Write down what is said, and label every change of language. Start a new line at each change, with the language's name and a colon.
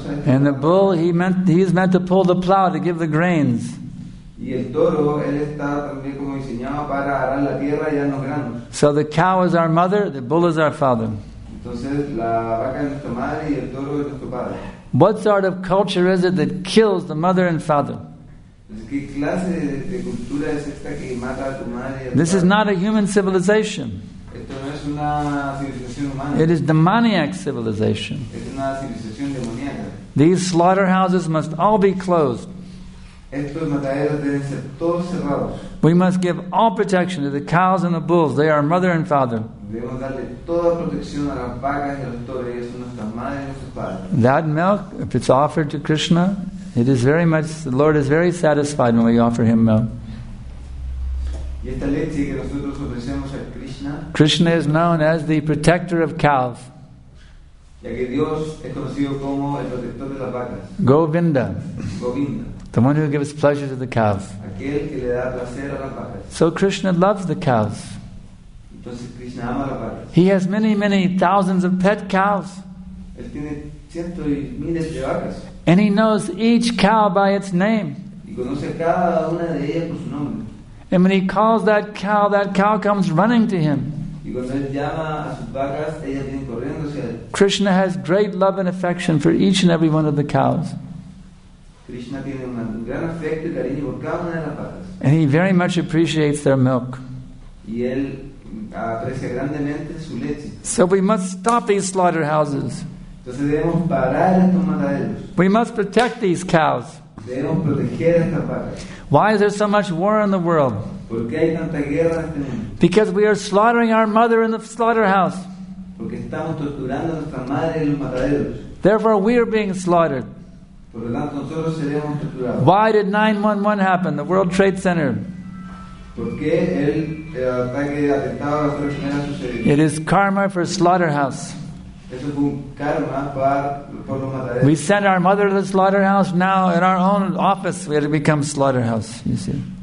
English: And the bull, he is meant to pull the plow to give the grains.
Spanish: Y el toro, él está también como diseñado para arar la tierra y dar los granos.
English: So the cow is our mother, the bull is our father.
Spanish: Entonces la vaca es nuestra madre y el toro es nuestro padre.
English: What sort of culture is it that kills the mother and father?
Spanish: ¿Qué clase de cultura es esta que mata a tu madre y a tu
English: This
Spanish: padre?
English: Is not a human civilization.
Spanish: Esto no es una civilización humana.
English: It is demoniac civilization.
Spanish: Es una civilización demoníaca.
English: These slaughterhouses must all be closed.
Spanish: Estos mataderos deben ser todos cerrados.
English: We must give all protection to the cows and the bulls. They are mother and father.
Spanish: Debemos darle toda protección a las vacas y a los toros. Ellos son nuestras madres y nuestros padres.
English: That milk, if it's offered to Krishna, it is very much, the Lord is very satisfied when we offer him milk.
Spanish: Y esta leche que nosotros ofrecemos a Krishna,
English: Krishna is known as the protector of cows.
Spanish: Ya que Dios es conocido como el protector de las vacas.
English: Govinda.
Spanish: Govinda.
English: The one who gives pleasure to the cows.
Spanish: Aquel que le da placer a las vacas.
English: So Krishna loves the cows.
Spanish: Entonces Krishna ama las vacas.
English: He has many, many thousands of pet cows.
Spanish: Él tiene cientos y miles de vacas.
English: And he knows each cow by its name.
Spanish: Y conoce cada una de ellas por su nombre.
English: And when he calls that cow comes running to him.
Spanish: Y cuando él llama a sus vacas, ellas vienen corriendo hacia él.
English: Krishna has great love and affection for each and every one of the cows.
Spanish: Krishna tiene un gran afecto y cariño por cada una de las vacas.
English: And he very much appreciates their milk.
Spanish: Y él aprecia grandemente su leche.
English: So we must stop these slaughterhouses.
Spanish: Entonces debemos parar estos mataderos.
English: We must protect these cows.
Spanish: Debemos proteger estas vacas.
English: Why is there so much war in the world?
Spanish: ¿Por qué hay tanta guerra en este mundo?
English: Because we are slaughtering our mother in the slaughterhouse.
Spanish: Porque estamos torturando a nuestra madre en los mataderos.
English: Therefore we are being slaughtered.
Spanish: Por lo tanto, nosotros seremos torturados.
English: Why did 9/11 happen? The World Trade Center.
Spanish: ¿Por qué el ataque de atentado a la Torre Gemela sucedió?
English: It is karma for slaughterhouse.
Spanish: Eso fue un karma por los mataderos.
English: We sent our mother to the slaughterhouse. Now, in our own office, we had to become slaughterhouse. You see.